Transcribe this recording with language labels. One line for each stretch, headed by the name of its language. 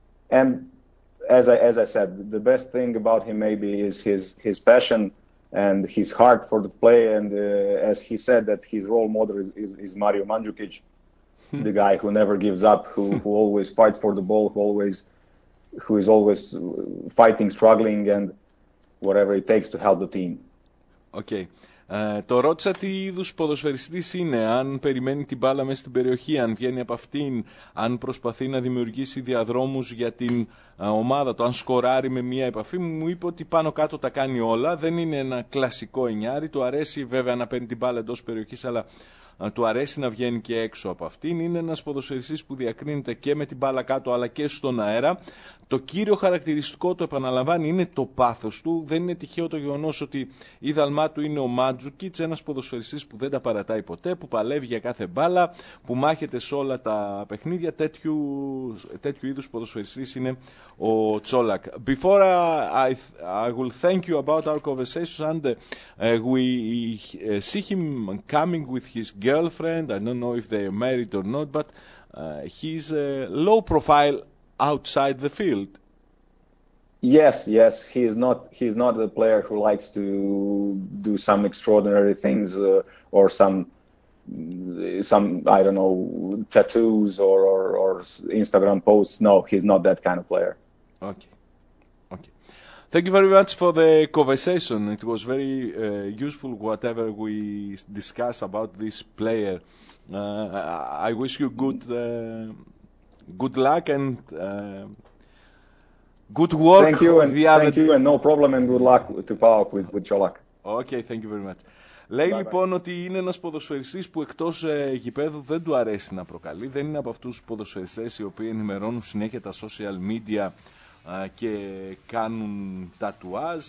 English: And as I said, the best thing about him maybe is his passion and his heart for the play. And as he said, that his role model is Mario Mandžukić. The guy who never gives up, who always fights for the ball, who is always fighting, struggling and whatever it takes to help the team. Okay.
Greek: Το ρώτησα τι είδους ποδοσφαιριστής είναι, αν περιμένει την μπάλα μέσα στην περιοχή, αν βγαίνει από αυτήν, αν προσπαθεί να δημιουργήσει διαδρόμους για την ομάδα του, αν σκοράρει με μία επαφή. Μου είπε ότι πάνω κάτω τα κάνει όλα, δεν είναι ένα κλασικό εννιάρι, του αρέσει βέβαια να παίρνει την μπάλα εντός περιοχής, αλλά του αρέσει να βγαίνει και έξω από αυτήν. Είναι ένας ποδοσφαιριστής που διακρίνεται και με την μπάλα κάτω αλλά και στον αέρα. Το κύριο χαρακτηριστικό, το επαναλαμβάνει, είναι το πάθος του. Δεν είναι τυχαίο το γεγονός ότι η δαλμά του είναι ο Μάντζουκιτς, ένας ποδοσφαιριστής που δεν τα παρατάει ποτέ, που παλεύει για κάθε μπάλα, που μάχεται σε όλα τα παιχνίδια. Τέτοιου είδους ποδοσφαιριστής είναι ο Τσόλακ.
English: Before I will thank you about our conversation, and we see him coming with his girlfriend. I don't know if they are married or not, but he's a low profile outside the field. Yes, he is not the player who likes to do some extraordinary things or some I don't know, tattoos or Instagram posts. No, he's not that kind of player. Okay. Thank you very much for the conversation. It was very useful whatever we discuss about this player. I wish you good luck and good work. Thank you, and no problem, and good luck to PAOK with your luck. Okay, thank you very much.
Greek: Λέει λοιπόν ότι είναι ένας ποδοσφαιριστής που εκτός γηπέδου δεν του αρέσει να προκαλεί. Δεν είναι από αυτούς τους ποδοσφαιριστές οι οποίοι ενημερώνουν συνέχεια τα social media και κάνουν τατουάζ.